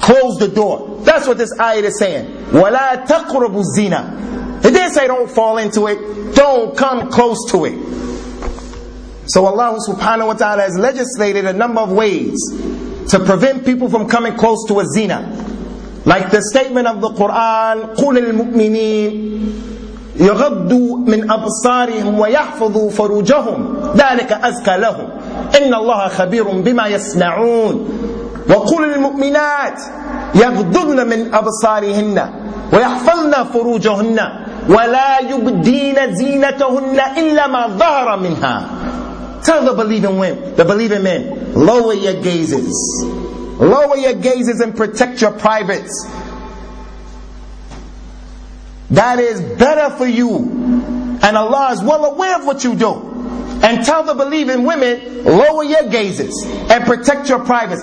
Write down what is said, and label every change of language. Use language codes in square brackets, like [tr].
[en] Close the door. That's what this ayah is saying. [ar] وَلَا تَقْرَبُوا الزِّنَا. [en] It didn't say don't fall into it. Don't come close to it. So Allah subhanahu wa ta'ala has legislated a number of ways to prevent people from coming close to a zina. Like the statement of the Quran, [ar] قُلِ الْمُؤْمِنِينَ يَغَضُّوا مِنْ أَبْصَارِهِمْ وَيَحْفَظُوا فُرُوجَهُمْ ذَلِكَ أَزْكَى لَهُمْ إِنَّ اللَّهَ خَبِيرٌ بِمَا يَصْنَعُونَ وَقُلِ الْمُؤْمِنَاتِ يَغْضُضْنَ مِنْ أَبْصَارِهِنَّ وَيَحْفَظْنَ فُرُوجَهُنَّ وَلَا يُبْدِينَ زِينَتَهُنَّ إِلَّا مَا ظَهَرَ مِنْهَا. [en] Tell the believing men, lower your gazes. Lower your gazes and protect your privates. That is better for you. And Allah is well aware of what you do. And tell the believing women, lower your gazes and protect your privates.